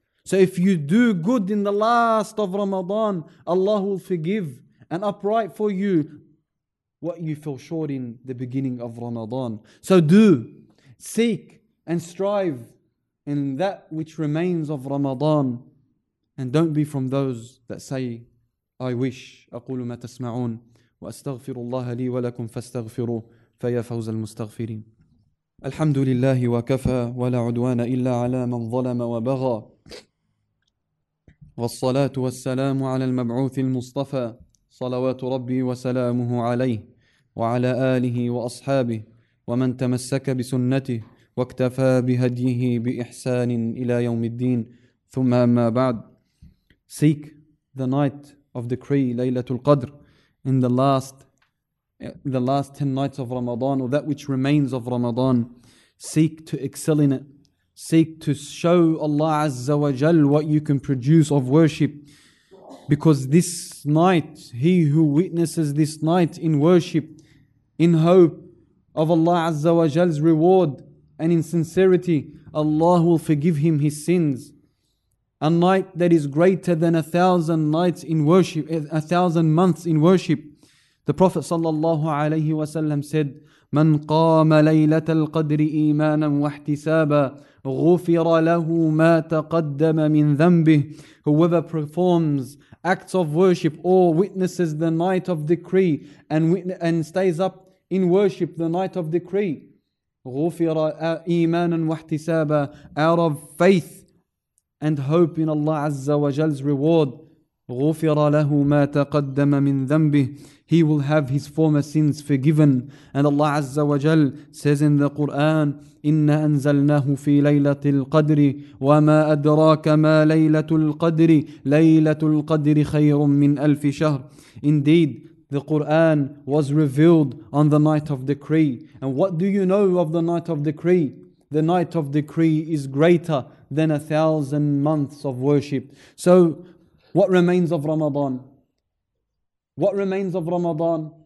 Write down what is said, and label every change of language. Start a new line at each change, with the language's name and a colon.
English: So if you do good in the last of Ramadan, Allah will forgive and upright for you what you fell short in the beginning of Ramadan. So do, seek and strive in that which remains of Ramadan. And don't be from those that say, I wish.
Arabic: أقول ما تسمعون وأستغفر الله لي ولكم فاستغفروه فيا فوز المستغفرين. الحمد لله وكفى ولا عدوان إلا على من ظلم وبغى والصلاة والسلام على المبعوث المصطفى صلوات ربي وسلامه عليه وعلى آله وأصحابه ومن تمسك بسنته واكتفى بهديه بإحسان إلى يوم الدين ثم أما بعد.
English: Seek the night of decree, ليلة القدر, in the last 10 nights of Ramadan, or that which remains of Ramadan. Seek to excel in it. Seek to show Allah Azza wa Jal what you can produce of worship. Because this night, he who witnesses this night in worship, in hope of Allah Azza wa Jal's reward and in sincerity, Allah will forgive him his sins. A night that is greater than 1,000 nights in worship, 1,000 months in worship. The Prophet sallallahu alayhi wa sallam said,
Arabic: من قام ليلة القدر إيمانا واحتسابا غفر له ما تقدم من ذنبه.
English: Whoever performs acts of worship or witnesses the night of decree and stays up in worship the night of decree,
Arabic: غفر إيمانا واحتسابا,
English: out of faith and hope in Allah Azza wa Jal's reward,
Arabic: غفر له ما تقدم من ذنبه,
English: he will have his former sins forgiven. And Allah Azza wa Jal says in the Quran,
Arabic: إن أنزلناه في ليلة القدر وما أدراك ما ليلة القدر ليلة القدر خير من ألف شهر.
English: Indeed, the Quran was revealed on the night of decree. And what do you know of the night of decree? The night of decree is greater than 1,000 months of worship. So, what remains of Ramadan? What remains of Ramadan?